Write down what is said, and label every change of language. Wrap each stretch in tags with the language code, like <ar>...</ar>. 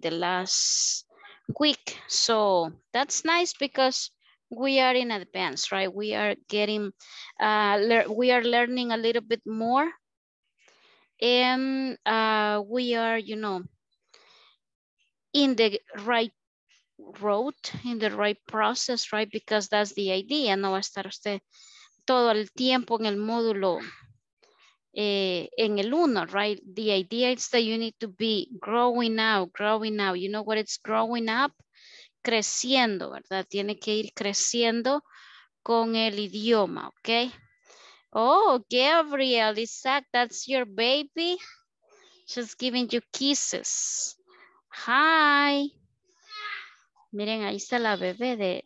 <en>The last quick. So that's nice because we are in advance, right? We are getting we are learning a little bit more, and we are, you know, in the right road, in the right process, right? Because that's the idea.</en> <es>No va a estar usted todo el tiempo en el módulo en el uno, right?</es> <en>The idea is that you need to be growing out, you know what it's growing up?</en> <es>Creciendo, ¿verdad? Tiene que ir creciendo con el idioma, okay?</es> <en>Oh, Gabriel, Isaac, that's your baby. She's giving you kisses. Hi.</en> <es>Miren, ahí está la bebé de...</es>